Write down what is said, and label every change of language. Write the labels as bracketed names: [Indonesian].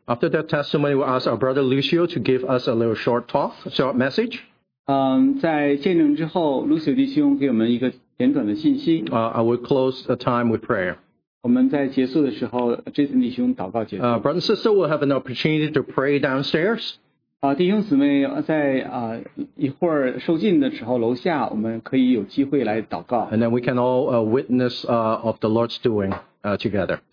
[English] After their testimony, we'll ask our brother Lucio to give us a little short message. [Chinese] 在见证之后，Lucio弟兄给我们一个简短的信息。 [English] I will close the time with prayer. [Chinese] 我们在结束的时候，Jason弟兄祷告结束。 [English] Brother and sister will have an opportunity to pray downstairs. [Chinese] 弟兄姊妹在一会儿受浸的时候，楼下我们可以有机会来祷告。 [English] And then we can all witness of the Lord's doing together.